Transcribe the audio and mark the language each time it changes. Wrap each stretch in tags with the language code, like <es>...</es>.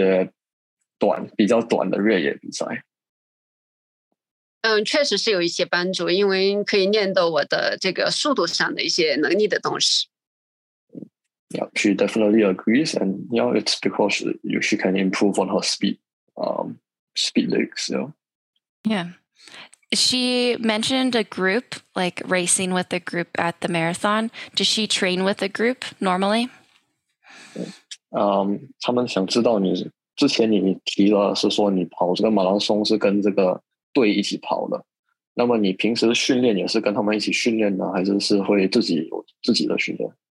<zh>Yeah,他是说你跑这些短的，他本身认为你跑这些比较短一点的田径比赛，会带给你很多帮助，对于这些短比较短的越野比赛。确实是有一些帮助，因为可以练到我的这个速度上的一些能力的东西。</zh> <en>Yeah, she definitely agrees, and yeah, you know, it's because she can improve on her speed legs. You know? Yeah, she mentioned a group, like racing with a group at the marathon. Does she train with a group normally?</en> <zh>他们想知道你之前你提了是说你跑这个马拉松是跟这个队一起跑的，那么你平时训练也是跟他们一起训练呢，还是会自己有自己的训练？</zh>